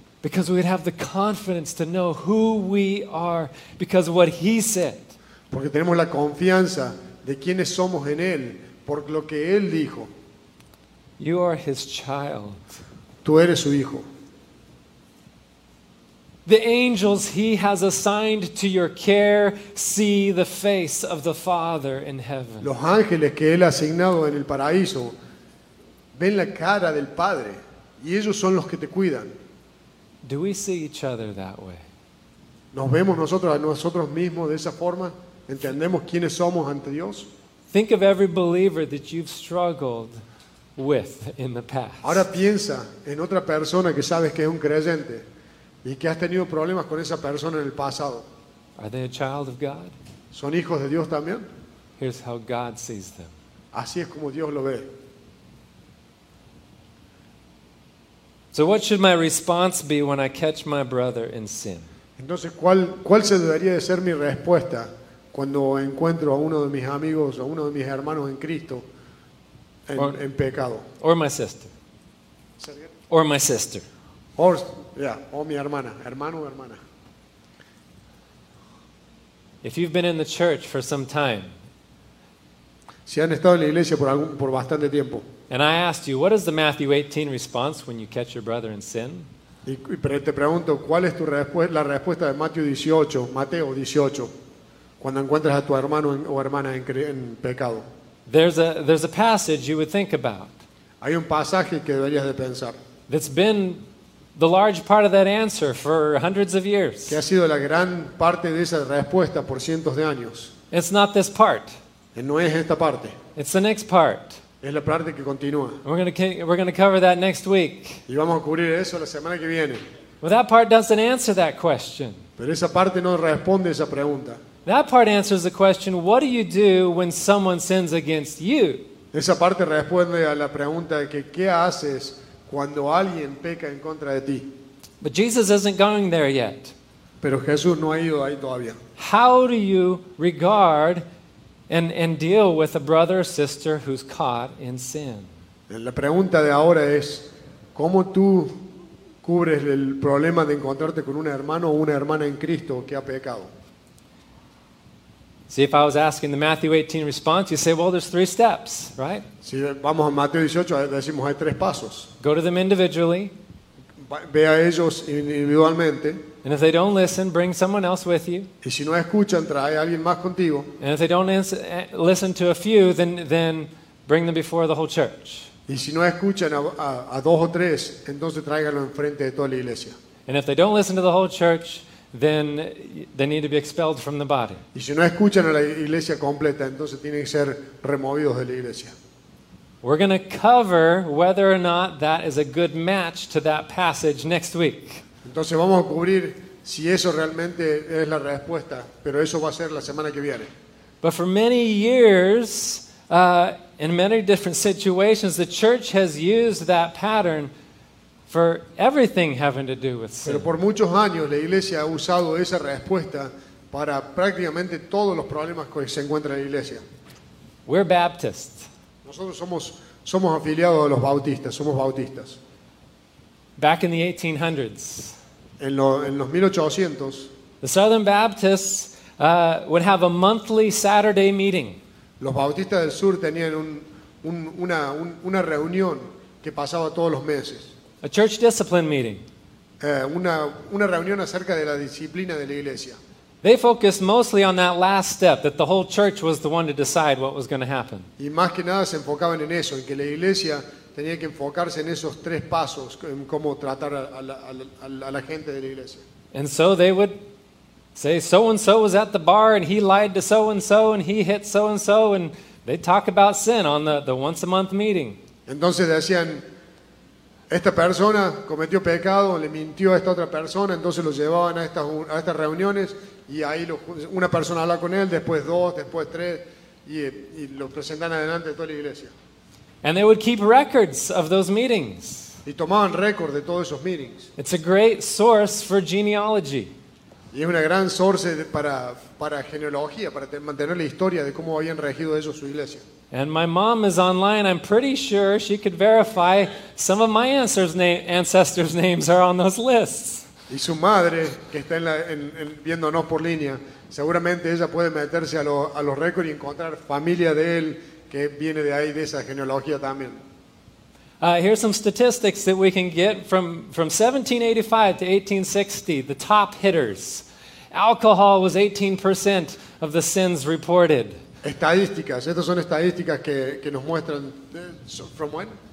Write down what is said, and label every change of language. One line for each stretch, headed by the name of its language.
English: Because we'd have the confidence to know who we are because of what he said.
Spanish: Porque tenemos la confianza de quiénes somos en él por lo que él dijo.
English: You are his child.
Spanish: Tú eres su hijo.
English: The angels he has assigned to your care see the face of the Father in heaven.
Spanish: Los ángeles que él ha asignado en el paraíso ven la cara del Padre y ellos son los que te cuidan.
English: Do we see each other that way?
Spanish: ¿Nos vemos nosotros a nosotros mismos de esa forma? ¿Entendemos quiénes somos ante Dios?
English: Think of every believer that you've struggled with in the past.
Spanish: Ahora piensa en otra persona que sabes que es un creyente. Y que has tenido problemas con esa persona en el pasado.
English: Are they a child of God?
Spanish: ¿Son hijos de Dios también?
English: Here's how God sees them.
Spanish: Así es como Dios lo ve.
English: So what should my response be when I catch my brother in sin?
Spanish: Entonces, ¿cuál debería de ser mi respuesta cuando encuentro a uno de mis amigos o a uno de mis hermanos en Cristo en pecado.
English: Or my sister. Or my sister. Or, yeah, or
Spanish: mi hermana, hermano o hermana.
English: If you've been in the church for some time,
Spanish: si han estado en la iglesia por bastante tiempo,
English: and I asked you, what is the Matthew 18 response when you catch your brother in sin?
Spanish: Y te pregunto, ¿cuál es la respuesta de Mateo 18, cuando encuentras a tu hermano o hermana en pecado?
English: There's a passage you would think about.
Spanish: Hay un pasaje que deberías de pensar.
English: That's been the large part of that answer for hundreds of years.
Spanish: Que ha sido la gran parte de esa respuesta por cientos de años.
English: It's not this part.
Spanish: No es esta parte.
English: It's the next part.
Spanish: Es la parte que continúa.
English: We're going to cover that next week.
Spanish: Y vamos a cubrir eso la semana que viene.
English: Well, that part doesn't answer that question.
Spanish: Pero esa parte no responde esa pregunta.
English: That part answers the question, what do you do when someone sins against you?
Spanish: Esa parte responde a la pregunta de que qué haces cuando alguien peca en contra de ti.
English: But Jesus isn't going there yet.
Spanish: Pero Jesús no ha ido ahí todavía.
English: How do you regard and deal with a brother or sister who's caught in sin?
Spanish: La pregunta de ahora es, ¿cómo tú cubres el problema de encontrarte con un hermano o una hermana en Cristo que ha pecado?
English: See, if I was asking the Matthew 18 response, you say, well, there's three steps, right?
Spanish: Si vamos a Mateo 18, decimos hay tres pasos.
English: Go to them individually.
Spanish: Ve a ellos individualmente.
English: And if they don't listen, bring someone else with you.
Spanish: Y si no escuchan, trae a alguien más contigo.
English: And if they don't listen to a few, then bring them before the whole church.
Spanish: Y si no escuchan a dos o tres, entonces tráiganlo enfrente de toda la iglesia.
English: And if they don't listen to the whole church, then they need to be expelled from the body.
Spanish: Y si no escuchan a la iglesia completa, entonces tienen que ser removidos de la iglesia.
English: We're going to cover whether or not that is a good match to that passage next week.
Spanish: Entonces vamos a cubrir si eso realmente es la respuesta, pero eso va a ser la semana que viene.
English: But for many years, in many different situations, the church has used that pattern for everything having to do with sin.
Spanish: Pero por muchos años la iglesia ha usado esa respuesta para prácticamente todos los problemas que se encuentran en la iglesia.
English: We're Baptists.
Spanish: Nosotros somos afiliados a los bautistas, somos bautistas.
English: Back in the 1800s.
Spanish: En los 1800s,
English: the Southern Baptists would have a monthly Saturday meeting.
Spanish: Los bautistas del sur tenían una reunión que pasaba todos los meses.
English: A church discipline meeting.
Spanish: Una reunión acerca de la disciplina de la iglesia.
English: They focused mostly on that last step, that the whole church was the one to decide what was going to happen.
Spanish: Y más que nada se enfocaban en eso, en que la iglesia tenía que enfocarse en esos tres pasos, en cómo tratar a la gente de la iglesia.
English: And so they would say, so-and-so was at the bar and he lied to so-and-so and he hit so-and-so, and they'd talk about sin on the once-a-month meeting.
Spanish: Entonces decían, esta persona cometió pecado, le mintió a esta otra persona, entonces lo llevaban a estas reuniones, y ahí una persona habla con él, después dos, después tres, y lo presentan adelante de toda la iglesia.
English: And they would keep records of those meetings.
Spanish: Y tomaban récord de todos esos meetings.
English: It's a great source for genealogy.
Spanish: Y es una gran source para genealogía, para mantener la historia de cómo habían regido ellos su iglesia.
English: And my mom is online. I'm pretty sure she could verify some of my ancestors' names are on those lists.
Spanish: Y su madre, que está en viéndonos por línea, seguramente ella puede meterse a los récords y encontrar familia de él que viene de ahí, de esa genealogía también.
English: Here's some statistics that we can get from 1785 to 1860, the top hitters. Alcohol was 18% of the sins reported.
Spanish: Estadísticas, estas son estadísticas que nos muestran
English: from when?